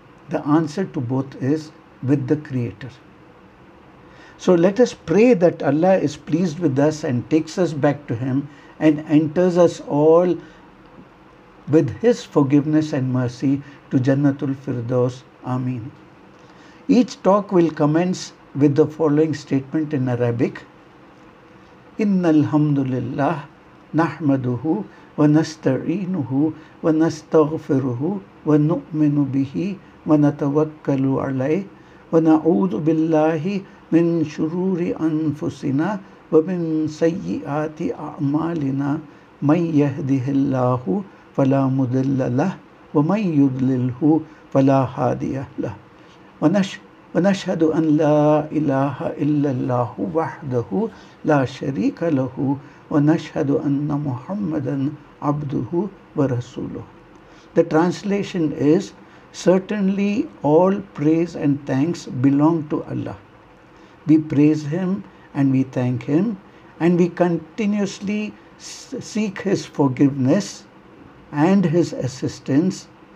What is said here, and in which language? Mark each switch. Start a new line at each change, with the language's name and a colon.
English: The answer to both is with the Creator. So let us pray that Allah is pleased with us and takes us back to Him and enters us all with His forgiveness and mercy to Jannatul Firdaus. Ameen. Each talk will commence with the following statement in Arabic.
Arabic: Inna alhamdulillah nahmaduhu wa nasta'inuhu wa nastaghfiruhu wa nu'minu bihi wa natawakkalu alayh wa na'udhu billahi من شرور أنفسنا ومن سيئات أعمالنا من يهده الله فلا مضل له ومن يضلله فلا هادي له ونشهد أن لا إله إلا الله وحده لا شريك له ونشهد أن محمدا عبده ورسوله.
English: The translation is, certainly all praise and thanks belong to Allah. We praise Him and we thank Him, and we continuously seek His forgiveness and His assistance.